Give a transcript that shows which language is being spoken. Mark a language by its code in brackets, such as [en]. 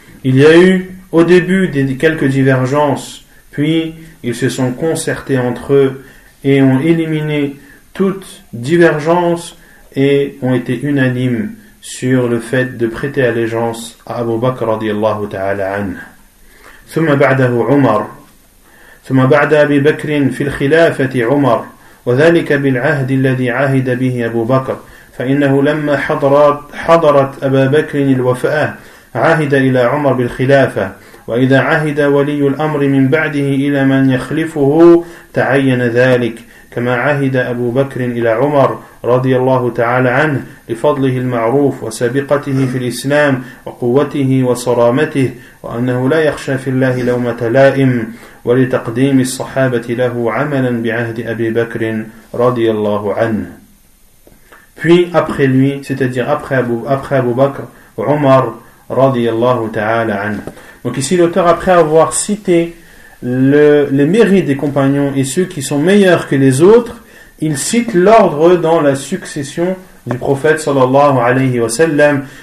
[fr] Il y a eu au début quelques divergences, puis ils se sont concertés entre eux et ont éliminé toute divergence et ont été unanimes sur le fait de prêter allégeance à Abu Bakr radiallahu ta'ala anhu. [ar] ثم بعده عمر ثم بعد أبي بكر في الخلافة عمر وذلك بالعهد الذي عهد به أبو بكر فإنه لما حضرت أبا بكر الوفاة عهد إلى عمر بالخلافة وإذا عهد ولي الأمر من بعده إلى من يخلفه تعين ذلك كما عهد أبو بكر إلى عمر رضي الله تعالى عنه لفضله المعروف وسابقته في الإسلام وقوته وصرامته وأنه لا يخشى في الله لومة لائم ولتقديم الصحابة له عملا بعهد أبي بكر رضي الله عنه. [fr] Puis après lui, c'est-à-dire après Abu Bakr, Omar رضي الله تعالى عنه. Donc ici l'auteur, après avoir cité les mérites des compagnons et ceux qui sont meilleurs que les autres, il cite l'ordre dans la succession du prophète sallallahu alayhi wa sallam.